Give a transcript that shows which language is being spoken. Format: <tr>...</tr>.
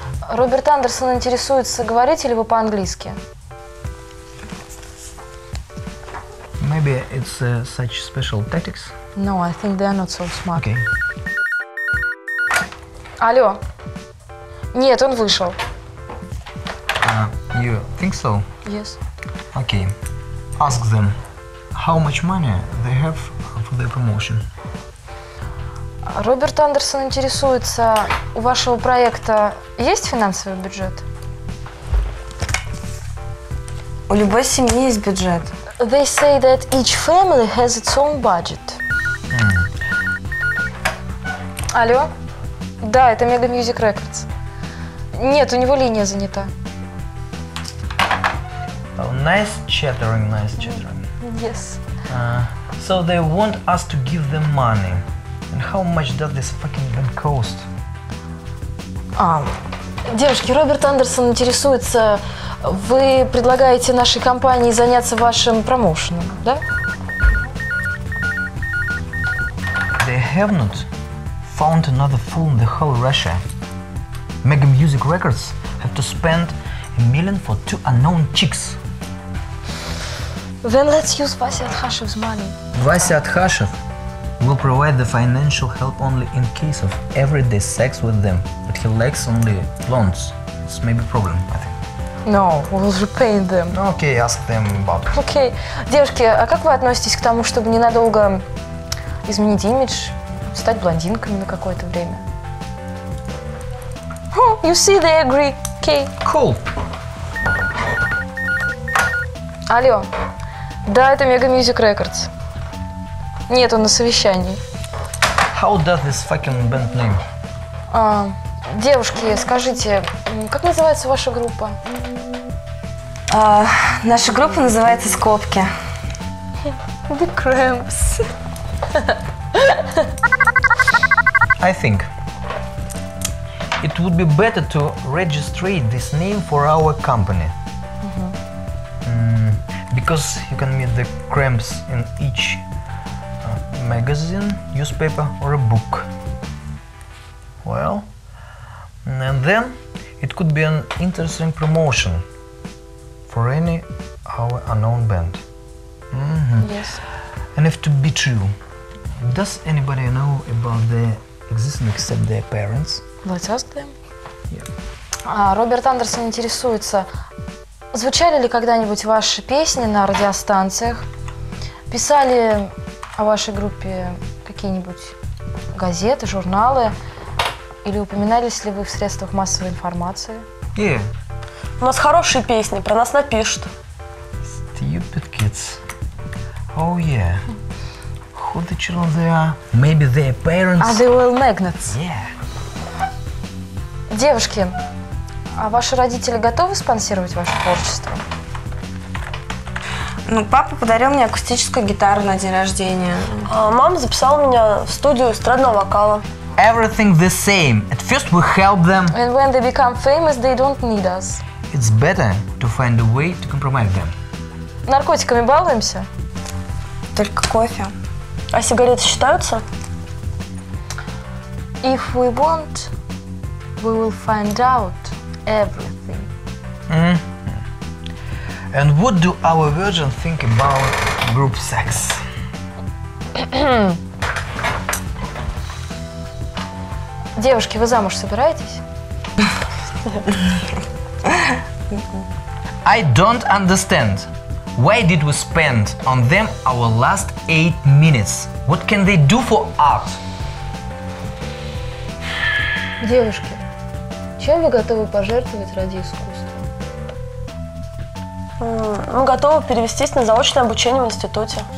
<ru>Роберт Андерсон интересуется, говорите ли вы по-английски?</ru> <en>Maybe it's such special tactics. No, I think they're not so smart. Okay.</en> <ru>Алло. Нет, он вышел.</ru> <en>You think so? Yes. Okay. Ask them how much money they have for their promotion.</en> <ru>Роберт Андерсон интересуется, у вашего проекта есть финансовый бюджет? У любой семьи есть бюджет.</ru> <en>They say that each family has its own budget.</en> <ru>Алло? Да, это Mega Music Records. Нет, у него линия занята.</ru> <en>Oh, nice chattering. Yes. So they want us to give them money. And how much does this fucking thing cost?</en> <ru>Девушки, Роберт Андерсон интересуется, вы предлагаете нашей компании заняться вашим промоушеном, да?</ru> <en>They have not found another fool in the whole Russia. Mega Music Records have to spend $1 million for two unknown chicks. Then let's use Vasya Adhashev's money. Vasya Adhashev? We'll provide the financial help only in case of everyday sex with them. But he likes only blondes. This may be a problem, I think. No, we'll repaint them. Okay, ask them about it. Okay. Девушки, а как вы относитесь к тому, чтобы ненадолго изменить имидж, стать блондинками на какое-то время? You see, they agree. Okay. Cool. Алло. Да, это Mega Music Records. Нет, он на совещании. How does this fucking band name? Девушки, скажите, как называется ваша группа? Наша группа называется «Скобки». The Cramps. I think it would be better to register this name for our company. Because you can meet the Cramps in each magazine, newspaper, or a book. Well, and then it could be an interesting promotion for any our unknown band. Yes. And if to be true, does anybody know about their existence except their parents?</en> <ru>Блатястые. Роберт Андерсон интересуется, звучали ли когда-нибудь ваши песни на радиостанциях? Писали о вашей группе какие-нибудь газеты, журналы? Или упоминались ли вы в средствах массовой информации?</ru> <en>Yeah.</en> <ru>У нас хорошие песни, про нас напишут.</ru> <en>Stupid kids. Oh yeah. Who the children they are? Maybe their parents. Are they oil magnets? Yeah.</en> <ru>Девушки, а ваши родители готовы спонсировать ваше творчество? Ну, папа подарил мне акустическую гитару на день рождения. А мама записала меня в студию эстрадного вокала.</ru> <en>Everything the same. At first we help them. And when they become famous, they don't need us. It's better to find a way to compromise them.</en> <ru>Наркотиками балуемся? Только кофе. А сигареты считаются?</ru> <en>If we want, we will find out everything. Mm-hmm. And what do our virgin think about group sex?</en> <ru>Девушки, вы замуж собираетесь?</ru> <en>I don't understand. Why did we spend on them our last 8 minutes? What can they do for art?</en> <ru>Девушки, чем вы готовы пожертвовать ради искусства? Мы готовы перевестись на заочное обучение в институте.</ru>